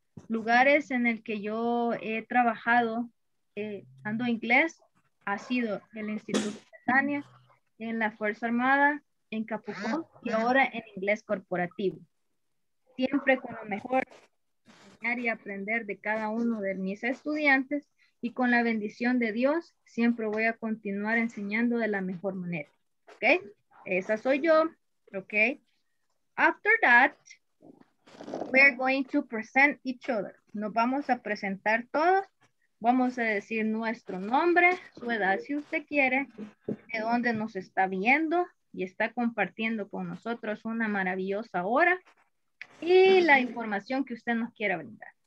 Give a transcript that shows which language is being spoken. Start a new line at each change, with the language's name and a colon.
Spanish: Lugares en el que yo he trabajado dando inglés ha sido el Instituto de Tania, en la Fuerza Armada, en Capucón y ahora en Inglés Corporativo. Siempre con lo mejor, enseñar y aprender de cada uno de mis estudiantes y con la bendición de Dios, siempre voy a continuar enseñando de la mejor manera. ¿Ok? Esa soy yo. ¿Ok?
English: After that, we're going to present each other.
Spanish: Nos vamos a presentar todos. Vamos a decir nuestro nombre, su edad si usted quiere, de dónde nos está viendo, y está compartiendo con nosotros una maravillosa hora y la información que usted nos quiera brindar.